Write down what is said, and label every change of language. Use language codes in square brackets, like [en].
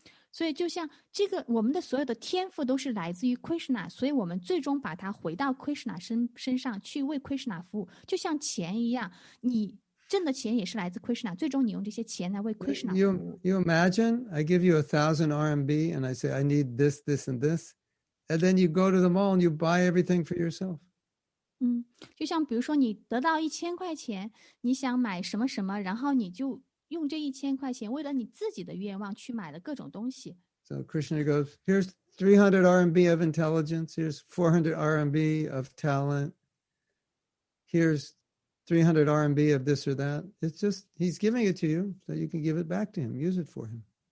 [zh] 所以就像这个，我们的所有的天赋都是来自于 Krishna, 所以我们最终把它回到 Krishna 身上去为 Krishna 服务。就像钱一样，你挣的钱也是来自 Krishna, 最终你用这些钱来为 Krishna 服务。 [en] You imagine, I give you 1,000 RMB and I say, I need this, this and this. And then you go to the mall and you buy everything for yourself. [zh] 就像比如说你得到1000块钱，你想买什么什么，然后你就用这1000块钱为了你自己的愿望去买了各种东西。 [en] So Krishna goes, here's 300 RMB of intelligence, here's 400 RMB of talent, here's 300 RMB of this or that. It's just, he's giving it to you, so you can give it back to him, use it for him.